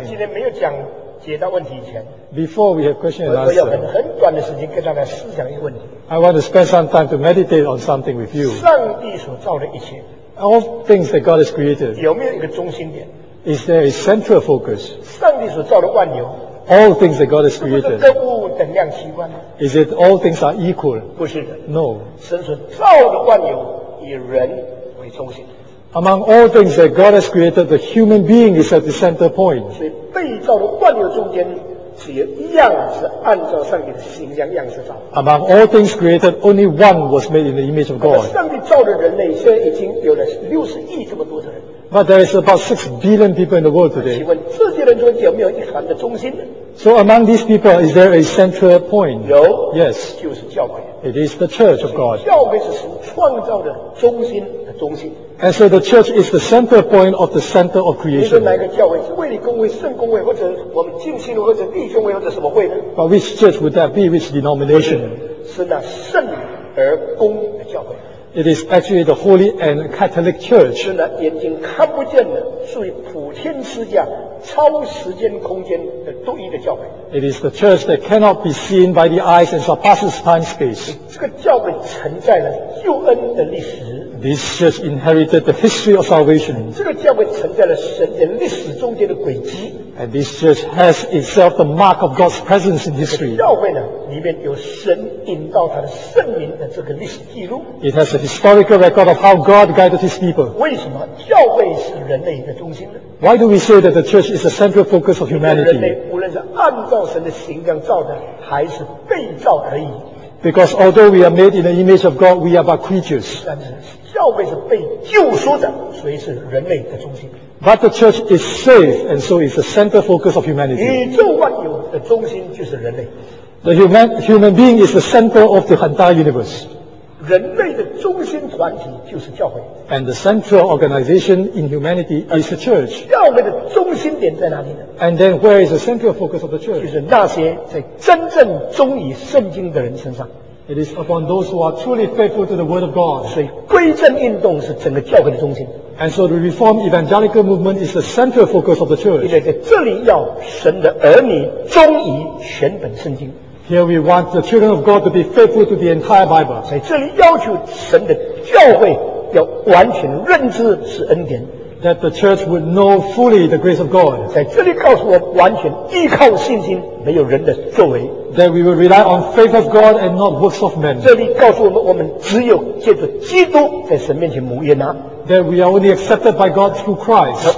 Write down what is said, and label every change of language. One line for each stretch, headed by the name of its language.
Chinese: 今天没有讲解答问题以前
English: ，Before we have question and answer，
Chinese: 我要很短的时间跟大家思想一个问题。
English: I want to spend some time to meditate on something with you。
Chinese: 上帝所造的一切
English: ，All things that God has created，
Chinese: 有没有一个中心点
English: ？Is there a central focus？
Chinese: 上帝所造的万有
English: ，All things that God has created，
Chinese: 是不是各物等量齐观
English: ？Is it all things are equal？
Chinese: 不是的
English: ，No。
Chinese: 神所造的万有以人为中心。
English: Among all things that God has created, the human being is at the center point.
Chinese: 所以被造的万有中间，只有一样是按照上帝的形象样式造。
English: Among all things created, only one was made in the image of God.
Chinese: 上帝造的人类现在已经有了60亿这么多的人。
English: But there is about 6 billion people in the world today.
Chinese: 请问这些人中间有没有一环的中心呢？
English: So among these people, is there a central point?
Chinese: 有。
English: Yes.
Chinese: 就是教会。
English: It is the church of God.
Chinese: 教会是神创造的中心的中心。
English: And so the church is the center point of the center of creation.
Chinese: 你是哪个教会？是为你公会、圣公会，或者我们敬信会，或者弟兄会，或者什么会呢？
English: But which church would that be? Which denomination?
Chinese: 是那圣而公的教会。
English: It is actually the Holy and Catholic Church.
Chinese: 是那眼睛看不见的，属于普天之下、超时间空间的独一的教会。
English: It is the church that cannot be seen by the eyes and surpasses time space.
Chinese: 这个教会承载了救恩的历史。
English: This church inherited the history of salvation.
Chinese: 这个教会承载了神在历史中间的轨迹。
English: And this church has itself the mark of God's presence in history.
Chinese: 教会呢，里面有神引导他的圣灵的这个历史记录。
English: It has a historical record of how God guided His people.
Chinese: 为什么教会是人类的中心呢？
English: Why do we say that the church is the central focus of humanity?
Chinese: 人类无论是按照神的形象造的，还是被造而已。
English: Because although we are made in the image of God, we are but creatures.
Chinese: 但是教会是被救赎的，所以是人类的中心。
English: But the church is saved, and so it's the center focus of humanity.
Chinese: 宇宙万有的中心就是人类。
English: The human being is the center of the entire universe.
Chinese: 人类的中心团体就是教会。
English: And the central organization in humanity is the church.
Chinese: 教会的中心点在哪里呢？
English: And then where is the central focus of the church?
Chinese: 就是那些在真正忠于圣经的人身上。
English: It is upon those who are truly faithful to the word of God.
Chinese: 所以归正运动是整个教会的中心。
English: And so the Reformed Evangelical Movement is the central focus of the church.
Chinese: 因为在这里要神的儿女忠于全本圣经。
English: Here we want the children of God to be faithful to the entire Bible.
Chinese: 在这里要求神的教会要完全认知是恩典。
English: That the church would know fully the grace of God.
Chinese: 在这里告诉我完全依靠信心，没有人的作为。
English: That we will rely on faith of God and not works of men.
Chinese: 这里告诉我们，我们只有借着基督在神面前蒙悦纳。
English: That we are only accepted by God through Christ.